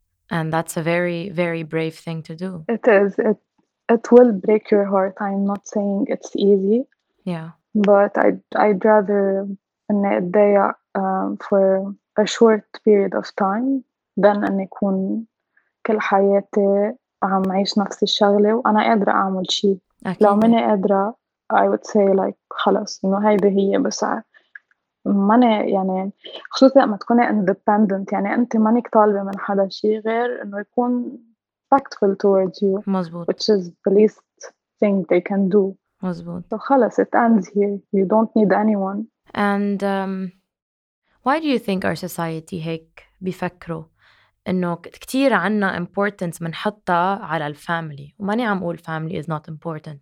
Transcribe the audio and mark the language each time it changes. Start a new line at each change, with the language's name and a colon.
English: And that's a very, very brave thing to do. It is. It will break your heart. I'm not saying it's easy. Yeah. But I'd rather
Arabic: أن أدي
English: for a short period of time than
Arabic: أن يكون كل حياتي عم عيش نفس الشغلة وأنا قادرة أعمل شيء. أكيد. لو مني قادرة
English: I would say like
Arabic: خلص إنه هاي دي هي بس ماني يعني خصوصا ما تكوني independent يعني أنت مانيك طالبة من حدا شيء غير إنه يكون
English: respectful towards you.
Arabic: مزبوط.
English: Which is the least thing they can do.
Arabic: مزبوط.
English: So خلص it ends here. You don't need anyone. And why do you think our society
Arabic: هيك بيفكروا إنه كتير عنا
English: importance
Arabic: منحطها على الفاميلي؟ وماني عم أقول
English: family is not important.